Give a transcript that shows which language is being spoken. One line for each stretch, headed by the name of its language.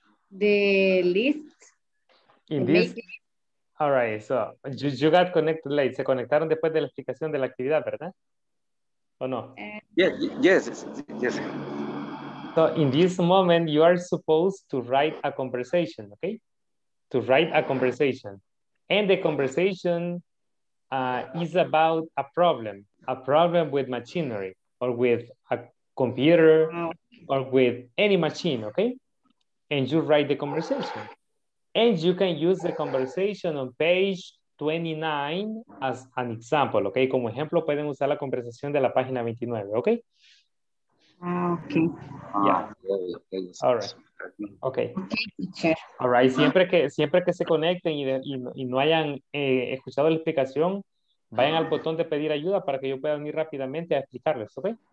English: The list. In this? All right. So, you got connected late.
Spanish: Se conectaron después de la explicación de la actividad, ¿verdad? ¿O no?
English: Yes. So in this moment, you are supposed to write a conversation, okay? To write a conversation. And the conversation is about a problem with machinery or with a computer or with any machine, okay? And you write the conversation. And you can use the conversation on page 29 as an example, okay?
Spanish: Como ejemplo, pueden usar la conversación de la página 29, okay?
English: Okay. Yeah. All right. Okay.
Spanish: Siempre que se conecten y no hayan escuchado la explicación, vayan al botón de pedir ayuda para que yo pueda venir rápidamente a explicarles, ¿okay?